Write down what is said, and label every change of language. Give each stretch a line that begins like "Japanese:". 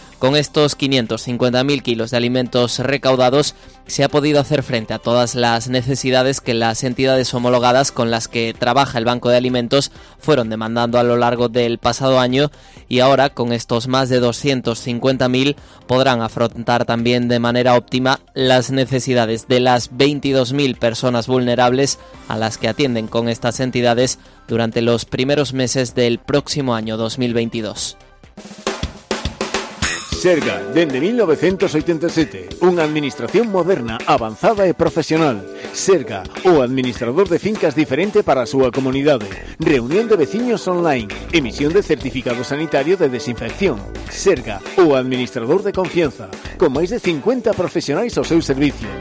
Spanish: Con estos 550.000 kilos de alimentos recaudados se ha podido hacer frente a todas las necesidades que las entidades homologadas con las que trabaja el Banco de Alimentos fueron demandando a lo largo del pasado año, y ahora con estos más de 250.000 podrán afrontar también de manera óptima las necesidades de las 22.000 personas vulnerables a las que atienden con estas entidades durante los primeros meses del próximo año 2022.
Galician: Serga, dende 1987, unha administración moderna, avanzada e profesional. Serga, o administrador de fincas diferente para a súa comunidade. Reunión de veciños online, emisión de certificado sanitario de desinfección. Serga, o administrador de confianza, con máis de 50 profesionais ao seu servicio.